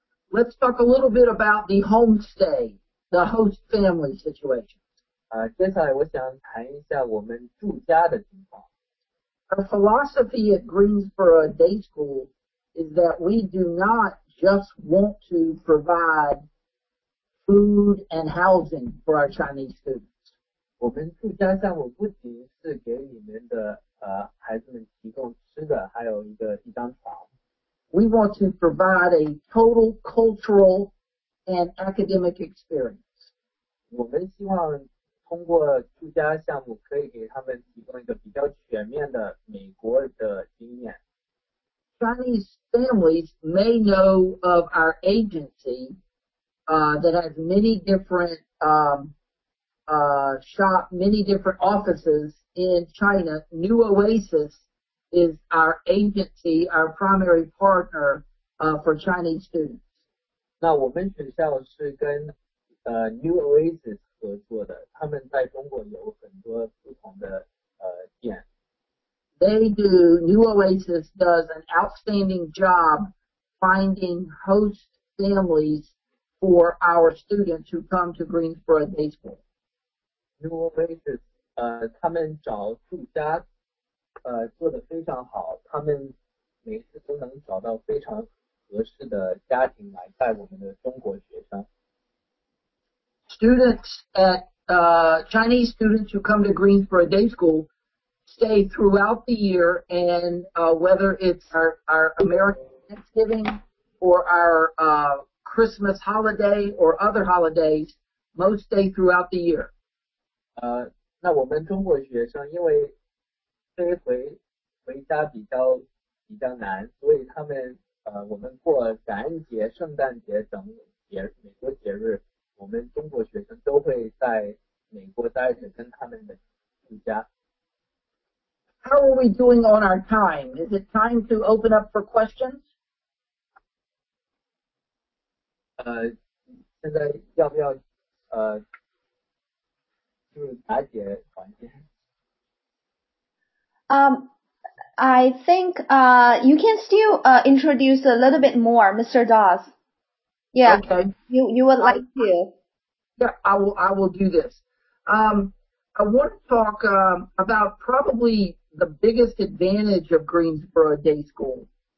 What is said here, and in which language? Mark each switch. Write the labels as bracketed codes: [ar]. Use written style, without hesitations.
[en] Let's talk a little bit about the homestay, the host family situation. [zh] 接下来我想谈一下我们住家的情况。 [en] Our philosophy at Greensboro Day School is that we do not just want to provide. Food and housing for our Chinese students. [zh] 我们住家项目不仅是给你们的孩子们提供吃的，还有一张床。 [en] We want to provide a total cultural and academic experience. [zh] 我们希望通过住家项目可以给他们提供一个比较全面的美国的经验。 [en] Chinese families may know of our agency. That has many different shop, many different offices in China. New Oasis is our agency, our primary partner for Chinese students. [zh] 那我们学校是跟New Oasis 合作的，他们在中国有很多不同的店。 [en] New Oasis does an outstanding job finding host families. For our students who come to Greensboro Day School. [zh] New Oasis, 他们找住家做得非常好，他们每次都能找到非常合适的家庭来带我们的中国学生。 [en] Students at, Chinese students who come to Greensboro Day School stay throughout the year and whether it's our American Thanksgiving or ourChristmas holiday or other holidays, most stay throughout the year. [zh] 那我们中国学生因为飞回家比较难，所以他们我们过感恩节、圣诞节等美国节日，我们中国学生都会在美国待着跟他们的住家。 [en] How are we doing on our time? Is it time to open up for questions? [zh] 现在要不要就是打解环境。 [en] I think you can still introduce a little bit more, Mr. Dawes. Yeah. Okay. You would like to. Yeah, I will do this. I want to talk about probably the biggest advantage of Greensboro Day School.